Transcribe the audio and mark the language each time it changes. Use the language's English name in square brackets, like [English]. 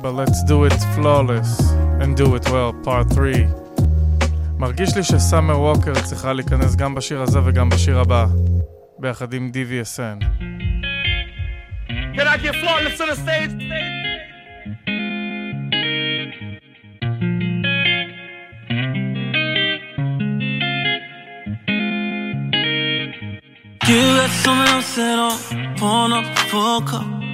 [English] But let's do it flawless and do it well. Part 3. [Hebrew] מרגיש לי שסאמר ווקר צריכה להיכנס גם בשיר הזה וגם בשיר הבא. ביחד עם DVSN. [English] Can I get flawless to the stage? You got someone else at home, pulling up for a call.